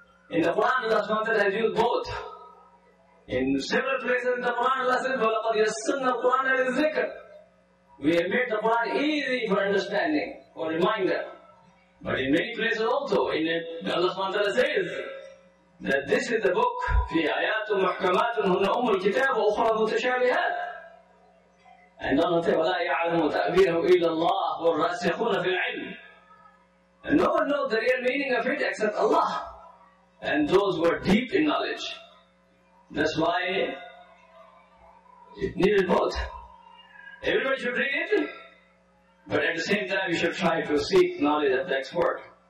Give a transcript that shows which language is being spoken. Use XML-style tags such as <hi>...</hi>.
<en>In the Quran, Allah SWT has used both. In several places in the Quran, Allah says,</en> <ar>وَلَقَدْ يَسَّنَّ الْقُرْآنَ لِلذِّكْرِ.</ar> <en>We have made the Quran easy for understanding, for reminder. But in many places also, in it, Allah SWT says, that this is the book,</en> <ar>فِي آيَاتُ مُحْكَمَاتٌ هُنَّ أُمُّ الْكِتَابُ وَأُخْرَ مُتَشَابِهَاتٌ.</ar> <en>And Allah says,</en> <ar>وَلَا يَعْلَمُ تَأْوِيلَهُ إِلَّا اللَّهُ وَالرَّاسِخُونَ فِي الْعِلْمِ.</ar> <en>And no one knows the real meaning of it except Allah. And those who are deep in knowledge. That's why it needed both. Everybody should read it, but at the same time, you should try to seek knowledge of the expert.</en>